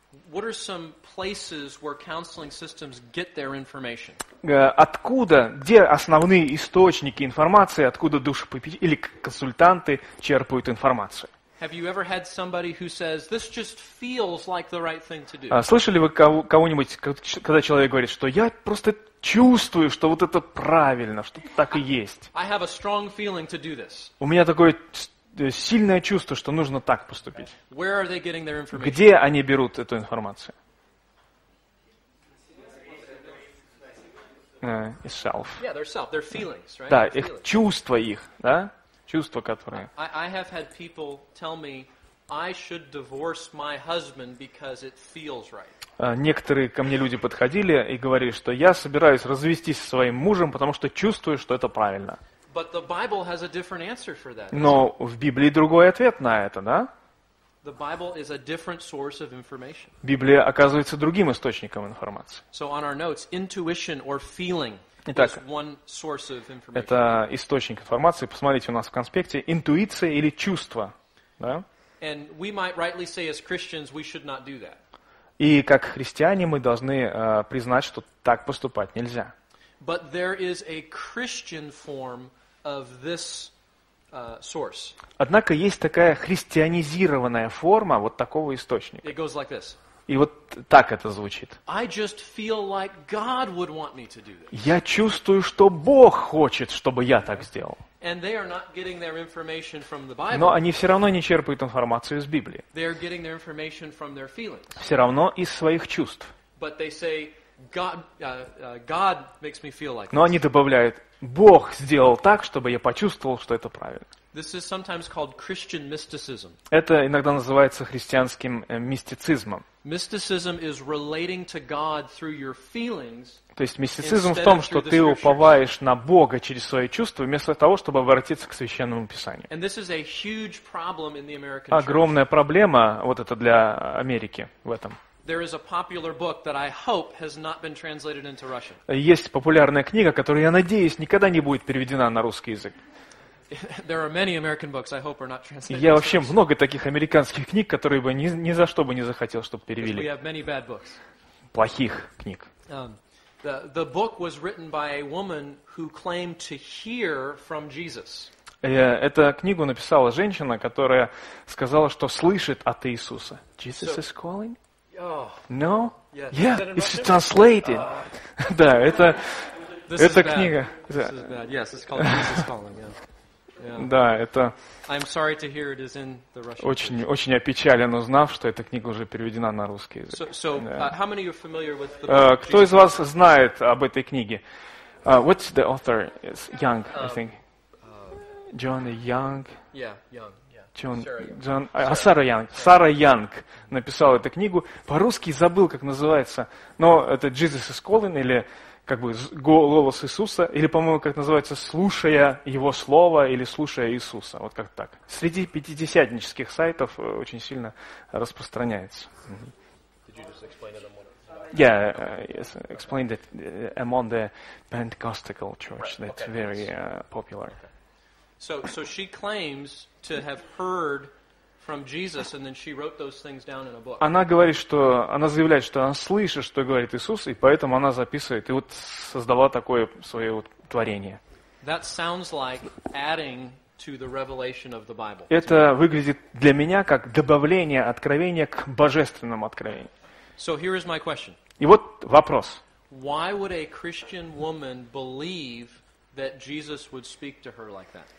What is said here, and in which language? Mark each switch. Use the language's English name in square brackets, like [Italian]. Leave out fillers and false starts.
[English] What are some places where counseling systems get their information? [Russian] Откуда, где основные источники информации, откуда душепопечители или консультанты черпают информацию? [English] Have you ever had somebody who says this just feels like the right thing to do? [Russian] Слышали вы кого-нибудь, когда человек говорит, что я просто чувствую, что вот это правильно, что так и есть? [English] I have a strong feeling to do this. [Russian] У меня такое сильное чувство, что нужно так поступить. [English] Where are they getting their information? [Russian] Где они берут эту информацию? [English] Self. Yeah, their self, their feelings, right? [Russian] Да, их чувства их, да? Чувства, которые... [English] I have had people tell me I should divorce my husband because it feels right. [Russian] Некоторые ко мне люди подходили и говорили, что я собираюсь развестись со своим мужем, потому что чувствую, что это правильно. [English] But the Bible has a different answer for that. [Russian] Но в Библии другой ответ на это, да? [English] The Bible is a different source of information. [Russian] Библия оказывается другим источником информации. [English] So on our notes, intuition or feeling. [Russian] Итак, [English] one source of information. [Russian] Это источник информации. Посмотрите у нас в конспекте. Интуиция или чувство. Да? [English] And we might rightly say as Christians we should not do that. [Russian] И как христиане мы должны признать, что так поступать нельзя. [English] But there is a Christian form of this source. [Russian] Однако есть такая христианизированная форма вот такого источника. [English] It goes like this. [Russian] И вот так это звучит. [English] I just feel like God would want me to do this. [Russian] Я чувствую, что Бог хочет, чтобы я так сделал. [English] And they are not getting their information from the Bible. [Russian] Но они все равно не черпают информацию из Библии. [English] They are getting their information from their feelings. [Russian] Все равно из своих чувств. [English] But they say God makes me feel like this. [Russian] Но они добавляют, Бог сделал так, чтобы я почувствовал, что это правильно. [English] This is sometimes called Christian mysticism. [Russian] Это иногда называется христианским мистицизмом. [English] Mysticism is relating to God through your feelings. [Russian] То есть мистицизм в том, что ты уповаешь на Бога через свои чувства, вместо того, чтобы обратиться к Священному Писанию. [English] And this is a huge problem in the American church. [Russian] Огромная проблема вот это для Америки в этом. [English] There is a popular book that I hope has not been translated into Russian. [Russian] Есть популярная книга, которую, я надеюсь, никогда не будет переведена на русский язык. [English] There are many American books I hope are not translated. [Russian] Я вообще много таких американских книг, которые бы ни за что бы не захотел, чтобы перевели. [English] We have many bad books. [Russian] Плохих книг. [English] The book was written by a woman who claimed to hear from Jesus. [Russian] Эту книгу написала женщина, которая сказала, что слышит от Иисуса. [English] Jesus is calling. No? Yes. Yeah, it's translated. [Russian] Да, это книга. [English] This is bad. Yes, it's called Jesus Calling. [Russian] Да, это... [English] I'm sorry to hear it is in the Russian. [Russian] Очень, очень опечален, узнав, что эта книга уже переведена на русский язык. [English] So, how many are familiar with the book? [Russian] Кто из вас знает об этой книге? [English] What's the author? It's Young, I think. John Young. Yeah, Young. [Russian] Сара Янг. Сара Янг написала эту книгу. По-русски забыл, как называется. Но это Jesus is calling, или как бы голос Иисуса, или, по-моему, как называется, слушая Его Слово, или слушая Иисуса. Вот как так. Среди пятидесятнических сайтов очень сильно распространяется. [English] Yeah, yes, explained it among the Pentecostal church. That's very popular. So she claims to have heard from Jesus, and then she wrote those things down in a book. [Russian] Она говорит, что она заявляет, что она слышит, что говорит Иисус, и поэтому она записывает и вот создала такое свое вот творение. [English] That sounds like adding to the revelation of the Bible. [Russian] Это выглядит для меня как добавление откровения к божественному откровению. [English] So here is my question. [Russian] И вот вопрос. [English] Why would a Christian woman believe that Jesus would speak to her like that?